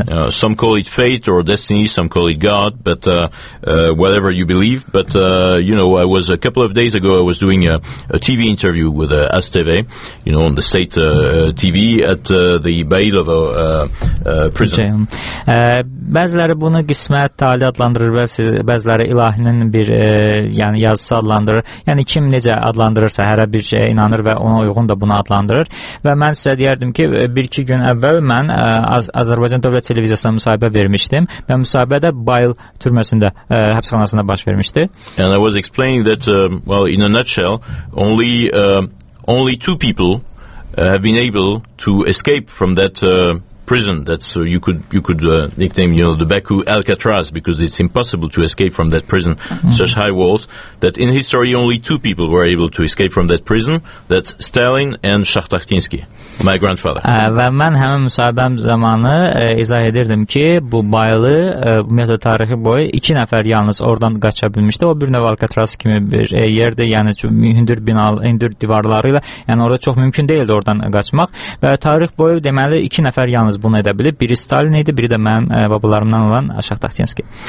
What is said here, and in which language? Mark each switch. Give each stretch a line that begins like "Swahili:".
English: Some call it fate or destiny, some call it God, but whatever you believe, but you know, I was a couple of days ago, I was doing a TV interview with ASTV, you know, on the state TV at the Bayilova prison.
Azerbaijani: Bəziləri bunu qismət, tali adlandırır, bəziləri ilahinin bir yəni yazısı adlandırır. Yəni kim necə adlandırırsa hərə bir şeyə inanır və ona uyğun da bunu adlandırır. Və mən sizə deyərdim ki, 1-2 gün əvvəl mən Azərbaycan Dövlət Televiziyasına müsahibə vermişdim və müsahibədə Bayil türməsində, həbsxanasında baş vermişdi.
English: And I was explaining that, well, in a nutshell, only two people have been able to escape from that prison. That's you could nickname, you know, the Baku Alcatraz, because it's impossible to escape from that prison, such high walls, that in history only two people were able to escape from that prison. That's Stalin and Shakhtakhtinsky, my grandfather.
Azerbaijani: Və mən həmin müsahibəm zamanı izah edirdim ki, bu Bayılı ümumiyyətlə tarixi boyu 2 nəfər yalnız oradan qaça bilmişdi. O bir növ Alcatraz kimi bir yerdir, yəni hündür binalı, hündür divarları ilə, yəni orada çox mümkün deyildi oradan qaçmaq. Və tarix boyu, deməli, 2 nəfər yalnız bunu edə bilib. Biri Stalin idi, biri də mənim babalarımdan olan Shakhtakhtinsky.